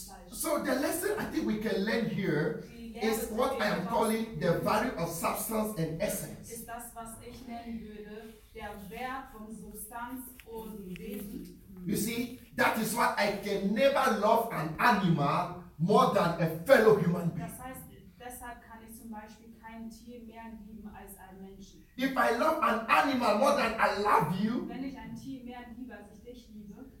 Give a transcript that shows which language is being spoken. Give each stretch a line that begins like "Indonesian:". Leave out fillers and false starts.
English: So the lesson I think we can learn here is what I am calling the value of substance and essence.
German: Ist das, was ich nennen würde, der Wert von Substanz und Wesen.
English: You see, that is why I can never love an animal more than a fellow human being.
German: Das heißt, deshalb kann ich zum Beispiel kein Tier mehr lieben als ein Mensch.
English: If I love an animal more than I love you,
German: wenn ich ein Tier mehr liebe als ich dich liebe,